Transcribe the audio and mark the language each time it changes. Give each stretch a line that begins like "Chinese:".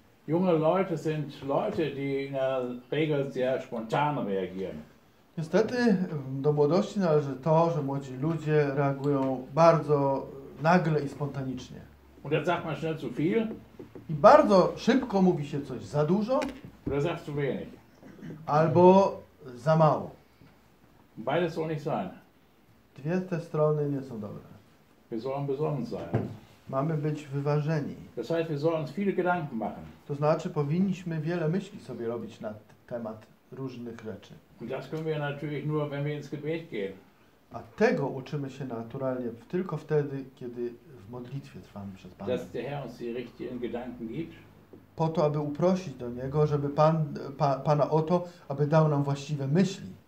German: Junge Leute sind Leute, die in der Regel sehr spontan reagieren.
Polish: Niestety do młodości należy to, że młodzi ludzie reagują bardzo nagle i spontanicznie.
German: Und dann sagt man schnell zu viel.
Polish: I bardzo szybko mówi się coś za dużo.
German: Oder sagt zu wenig.
Polish: Albo za mało.
German: Beide soll nicht sein.
Polish: Dwie te strony nie są dobre.
German: Wir sollen besonnen sein.
Polish: Mamy być wyważeni.
German: Das heißt, wir sollen uns viele Gedanken machen.
Polish: To znaczy, powinniśmy wiele myśli sobie robić na temat różnych rzeczy.
German: Und das können wir natürlich nur, wenn wir ins Gebet gehen.
Polish: A tego uczymy się naturalnie tylko wtedy, kiedy w modlitwie trwamy przed Panem.
German: Dass der Herr uns die richtigen Gedanken gibt.
Polish: po to, aby uprosić do Niego, żeby Pan, Pana o to, aby dał nam właściwe myśli.